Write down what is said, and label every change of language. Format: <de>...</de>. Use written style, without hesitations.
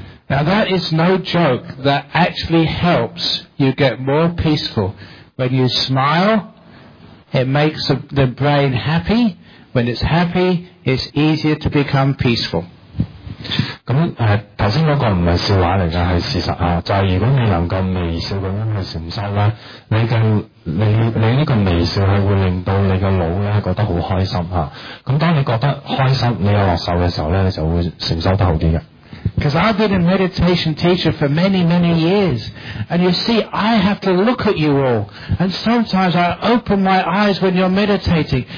<en>Now that is no joke that actually helps you get more peaceful. When you smile, it makes the brain happy. When it's happy, it's easier to become peaceful.</en> <yue>咁頭先嗰個唔係笑話嚟㗎，係事實啊！就係如果你能夠微笑咁樣去承受咧，你呢個微笑係會令到你個腦咧覺得好開心嚇。咁、啊、當你覺得開心，你有樂受嘅時候咧，就會承受得好啲嘅。</yue> <en>Because I've been a meditation teacher for many, many years. And you see, I have to look at you all. And sometimes I open my eyes when you're meditating.</en>